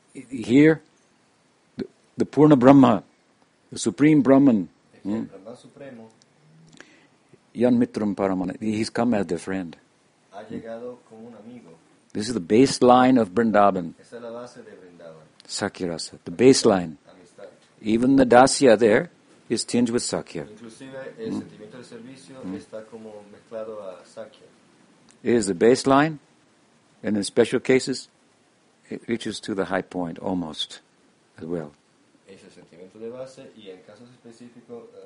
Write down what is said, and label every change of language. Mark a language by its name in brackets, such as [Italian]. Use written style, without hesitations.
[English] Here, the Purna Brahma, the Supreme Brahman, [Sanskrit] Yan Mitram Paramana, [English] he's come as their friend. [Spanish] Ha llegado como un amigo. [English] This is the baseline of Vrindavan. [Spanish] Esa es la base de Vrindavan. [English] Sakyarasa, the baseline. [Spanish] Amistad. [English] Even the dasya there is tinged with Sakya. [Spanish] Inclusive, el sentimiento de servicio está como mezclado a Sakya. [English] It is the baseline, and in special cases, it reaches to the high point almost as well. [Spanish] Es el sentimiento de base, y en casos específicos,